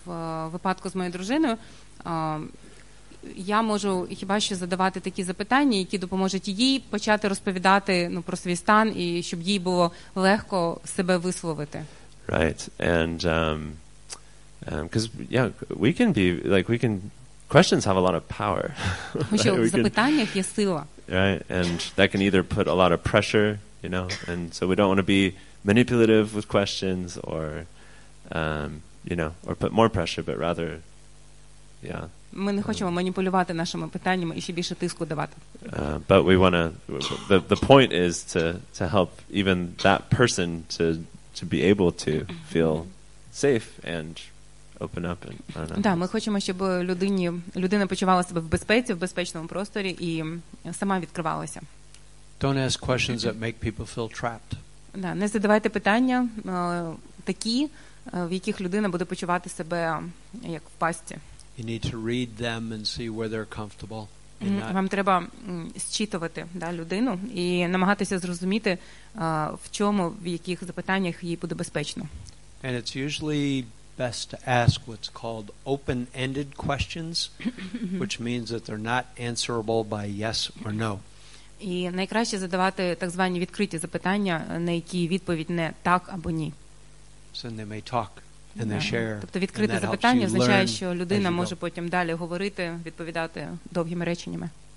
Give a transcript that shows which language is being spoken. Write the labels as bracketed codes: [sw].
[uk] В випадку з моєю дружиною, я можу хіба що задавати такі запитання, які допоможуть їй почати розповідати, ну, про свій стан, і щоб їй було легко себе висловити. [en] Right. And because yeah, we can be like, we can, questions have a lot of power. [uk] Тому що в запитаннях є сила. [en] Right. And that can either put a lot of pressure, you know, and so we don't want to be manipulative with questions or you know, or put more pressure, but rather, yeah. [uk] Ми не хочемо маніпулювати нашими питаннями і ще більше тиску давати. [en] But we want the point is to help even that person to be able to feel safe and open up and, I don't know. [uk] Да, ми хочемо, щоб людина почувала себе в безпеці, в безпечному просторі і сама відкривалася. [en] Don't ask questions that make people feel trapped. [uk] Да, не задавайте питання такі, в яких людина буде почувати себе як в пастці. [en] You need to read them and see where they're comfortable. [uk] Вам треба зчитувати, да, людину і намагатися зрозуміти, в чому, в яких запитаннях їй буде безпечно. [en] And it's usually best to ask what's called open-ended questions, which means that they're not answerable by yes or no. [uk] І найкраще задавати так звані відкриті запитання, на які відповідь не так або ні. [en] So they may talk. And they share. [uk] Тобто відкрите запитання означає, що людина може потім далі говорити, відповідати довгими реченнями.